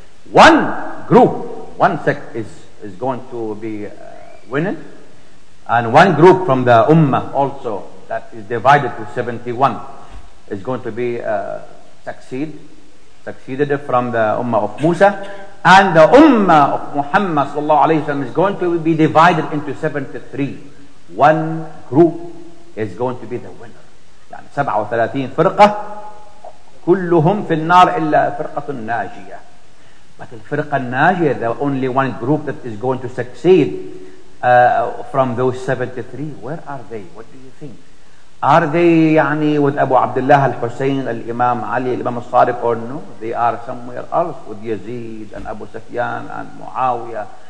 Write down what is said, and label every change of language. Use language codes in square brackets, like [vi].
[en] One group, one sect is going to be winning, and one group from the Ummah also that is divided to 71 is going to be succeeded from the Ummah of Musa, and the Ummah of Muhammad sallallahu alayhi wa sallam is going to be divided into 73. One group is going to be the winner. [ar] يعني 37 فرقة كلهم في النار إلا فرقة ناجية. [en] But the [ar] فرقة الناجية, [en] the only one group that is going to succeed from those 73, where are they? What do you think? Are they يعني with Abu Abdullah al-Hussein, al-Imam Ali, al-Imam al-Sadiq, or no? They are somewhere else with Yazid and Abu Sufyan and Muawiyah.